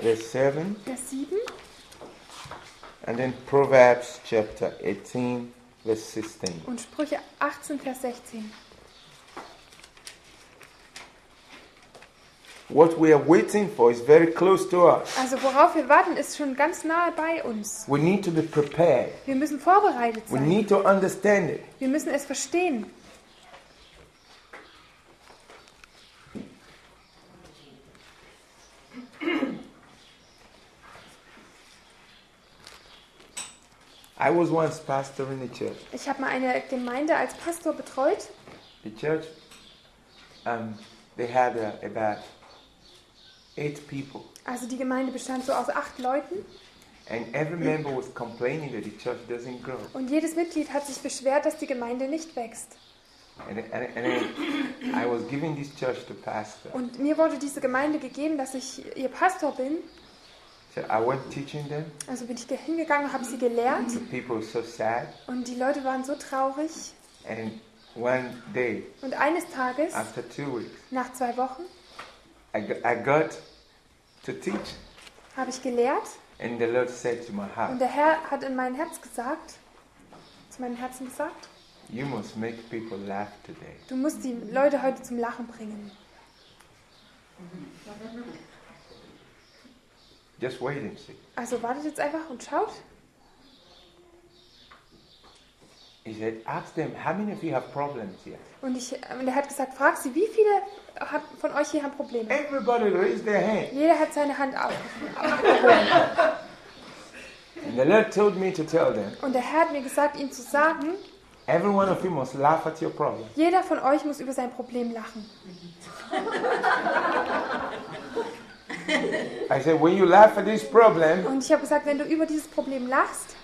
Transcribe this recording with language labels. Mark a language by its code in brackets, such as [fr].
[de] Vers 7. [en] And then Proverbs chapter 18 verse 16. [de] Und Sprüche 18 Vers 16. [en] What we are waiting for is very close to us. [de] Also worauf wir warten, ist schon ganz nahe bei uns. [en] We need to be prepared. [de] Wir müssen vorbereitet sein. [en] We need to understand it. [de] Wir müssen es verstehen. [en] I was once pastor in the church. [de] Ich habe mal eine Gemeinde als Pastor betreut. [en] The church, they had about 8 people. [de] Also die Gemeinde bestand so aus 8 Leuten. [en] And every member was complaining that the church doesn't grow. [de] Und jedes Mitglied hat sich beschwert, dass die Gemeinde nicht wächst. [en] And I was giving this church to pastor. [de] Und mir wurde diese Gemeinde gegeben, dass ich ihr Pastor bin. [en] So I went teaching them. [de] Also bin ich hingegangen, habe sie gelehrt. [en] The people were so sad. [de] Und die Leute waren so traurig. [en] And one day. [de] Und eines Tages. [en] After 2 weeks. [de] Nach 2 Wochen. [en] I got to teach. [de] Habe ich gelehrt. [en] And the Lord said to my heart. [de] Und der Herr hat in mein Herz gesagt, zu meinem Herzen gesagt. [en] You must make people laugh today. [de] Du musst die Leute heute zum Lachen bringen. [en] Just wait and see. [de] Also wartet jetzt einfach und schaut. [en] He said, ask them, how many of you have problems here? [de] Und er hat gesagt, frag sie, wie viele von euch hier haben Probleme? [en] Everybody raised their hand. [de] Jeder hat seine Hand auf. [en] And the Lord told me to tell them. [de] Und der Herr hat mir gesagt, ihnen zu sagen. [en] Every one of you must laugh at your problem. [de] Jeder von euch muss über sein Problem lachen. [en] I said, when you laugh at this problem, [de] und ich habe gesagt, wenn du über dieses Problem lachst,